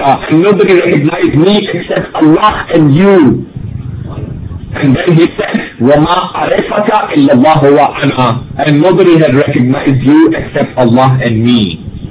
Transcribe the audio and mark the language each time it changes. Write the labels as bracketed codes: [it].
[en] Nobody recognized me except Allah and you. And then he said, [ar] وَمَا عَرِفَكَ إِلَّا اللَّهُ وَأَنَا. [en] And nobody had recognized you except Allah and me.